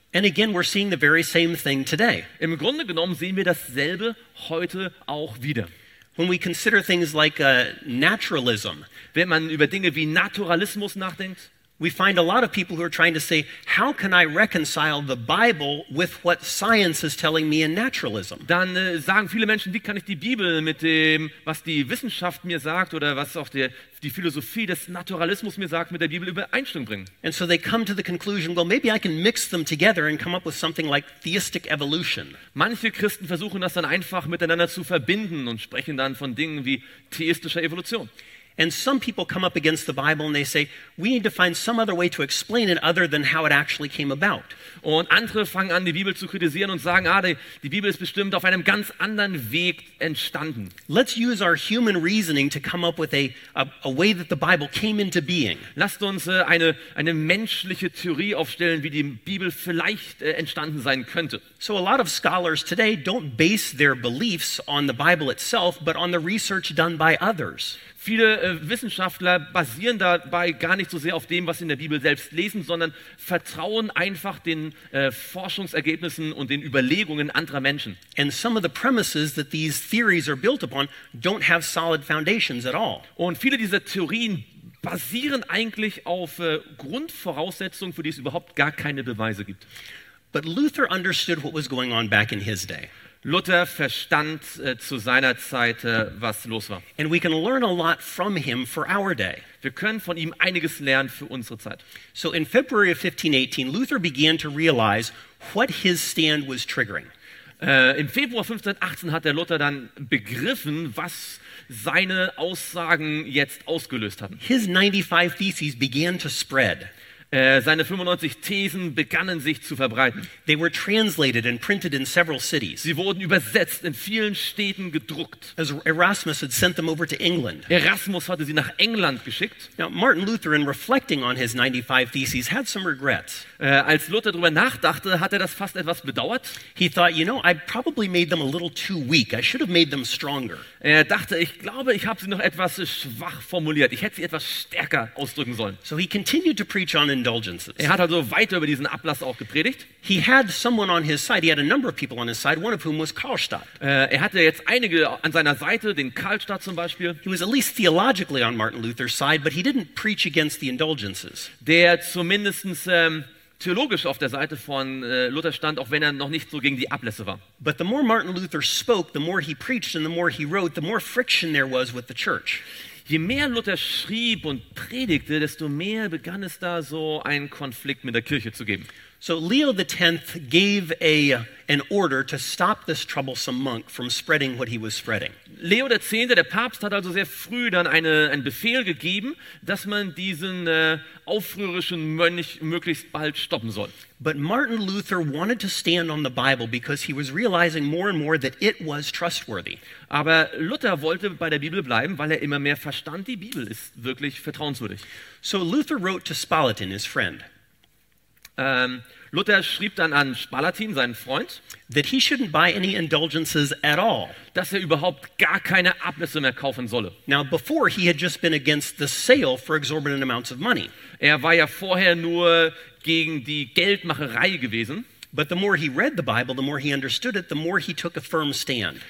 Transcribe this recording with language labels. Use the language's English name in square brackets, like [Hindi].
[English] And again, we're seeing the very same thing today. [German] Im Grunde genommen sehen wir dasselbe heute auch wieder. [English] When we consider things like naturalism, [German] wenn man über Dinge wie Naturalismus nachdenkt, [English] we find a lot of people who are trying to say, how can I reconcile the Bible with what science is telling me in naturalism? [German] Dann sagen viele Menschen, wie kann ich die Bibel mit dem, was die Wissenschaft mir sagt oder was auch die Philosophie des Naturalismus mir sagt, mit der Bibel übereinstimmen bringen? [English] And so they come to the conclusion, well, maybe I can mix them together and come up with something like theistic evolution. [German] Manche Christen versuchen das dann einfach miteinander zu verbinden und sprechen dann von Dingen wie theistischer Evolution. [English] And some people come up against the Bible and they say, we need to find some other way to explain it other than how it actually came about. [German] Und andere fangen an, die Bibel zu kritisieren und sagen, die Bibel ist bestimmt auf einem ganz anderen Weg entstanden. [English] Let's use our human reasoning to come up with a way that the Bible came into being. [German] Lasst uns eine menschliche Theorie aufstellen, wie die Bibel vielleicht entstanden sein könnte. [English] So a lot of scholars today don't base their beliefs on the Bible itself, but on the research done by others. [German] Viele Wissenschaftler basieren dabei gar nicht so sehr auf dem, was sie in der Bibel selbst lesen, sondern vertrauen einfach den Forschungsergebnissen und den Überlegungen anderer Menschen. [English] And some of the premises that these theories are built upon don't have solid foundations at all. [German] Und viele dieser Theorien basieren eigentlich auf Grundvoraussetzungen, für die es überhaupt gar keine Beweise gibt. [English] But Luther understood what was going on back in his day. [German] Luther verstand zu seiner Zeit, was los war. [English] And we can learn a lot from him for our day. [German] Wir können von ihm einiges lernen für unsere Zeit. [English] So in February of 1518, Luther began to realize what his stand was triggering. [German] Im Februar 1518 hat der Luther dann begriffen, was seine Aussagen jetzt ausgelöst hatten. [English] His 95 theses began to spread. [German] Seine 95 Thesen begannen sich zu verbreiten. [English] They were translated and printed in several cities. [German] Sie wurden übersetzt, in vielen Städten gedruckt. [English] As Erasmus had sent them over to England. [German] Erasmus hatte sie nach England geschickt. [English] Now, Martin Luther, in reflecting on his 95 theses, had some regrets. [German] Als Luther darüber nachdachte, hat er das fast etwas bedauert. [English] He thought, you know, I probably made them a little too weak. I should have made them stronger. [German] Er dachte, ich glaube, ich habe sie noch etwas schwach formuliert. Ich hätte sie etwas stärker ausdrücken sollen. [English] So he continued to preach on indulgences. [German] Er hat also weiter über diesen Ablass auch gepredigt. [English] He had someone on his side. He had a number of people on his side. One of whom was Karlstadt. [German] Er hatte jetzt einige an seiner Seite, den Karlstadt zum Beispiel. [English] He was at least theologically on Martin Luther's side, but he didn't preach against the indulgences. [German] Der zumindest theologisch auf der Seite von Luther stand, auch wenn er noch nicht so gegen die Ablässe war. [English] But the more Martin Luther spoke, the more he preached and the more he wrote, the more friction there was with the church. [German] Je mehr Luther schrieb und predigte, desto mehr begann es da so einen Konflikt mit der Kirche zu geben. [English] So Leo the 10th gave an order to stop this troublesome monk from spreading what he was spreading. [German] Leo der 10., der Papst, hat also sehr früh dann einen Befehl gegeben, dass man diesen aufrührerischen Mönch möglichst bald stoppen soll. [English] But Martin Luther wanted to stand on the Bible because he was realizing more and more that it was trustworthy. [German] Aber Luther wollte bei der Bibel bleiben, weil er immer mehr verstand, die Bibel ist wirklich vertrauenswürdig. [English] So Luther wrote to Spalatin, his friend. [German] Luther schrieb dann an Spalatin, seinen Freund, [English] that he shouldn't buy any indulgences at all. [German] Dass er überhaupt gar keine Ablässe mehr kaufen solle. [English] Now before he had just been against the sale for exorbitant amounts of money. [German] Er war ja vorher nur gegen die Geldmacherei gewesen. [English] But the more he read the Bible, the more he understood it, the more he took a firm stand.